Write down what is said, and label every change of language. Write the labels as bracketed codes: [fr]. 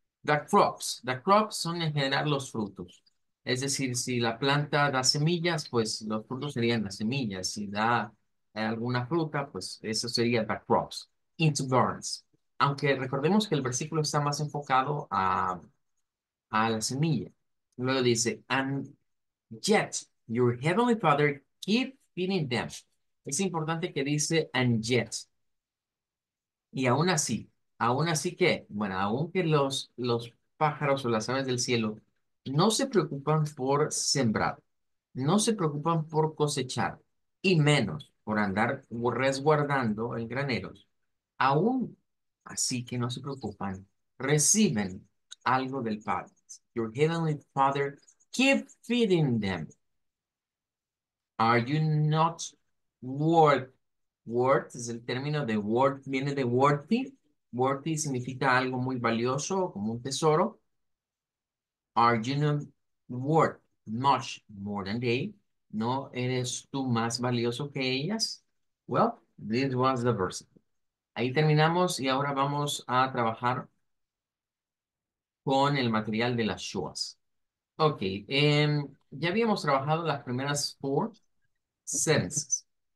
[es] The crops son en general los frutos. Es decir, si la planta da semillas, pues los frutos serían las semillas. Si da alguna fruta, pues eso sería the crops. [en] Into barns. [es] Aunque recordemos que el versículo está más enfocado a la semilla. Luego dice, [en] and yet your heavenly Father keep feeding them. [es] Es importante que dice, [en] and yet. [es] Y aún así que, bueno, aunque los pájaros o las aves del cielo no se preocupan por sembrar, no se preocupan por cosechar y menos por andar resguardando en graneros. Aún así que no se preocupan, reciben algo del Padre. [en] Your heavenly Father, keep feeding them. Are you not worth? [es] Worth es el término de worth, viene de worthy. Worthy significa algo muy valioso, como un tesoro. [en] Are you not worth much more than they? [es] ¿No eres tú más valioso que ellas? [en] Well, this was the verse. [es] Ahí terminamos y ahora vamos a trabajar con el material de las shuas. Ok, ya habíamos trabajado las primeras [en] four sentences.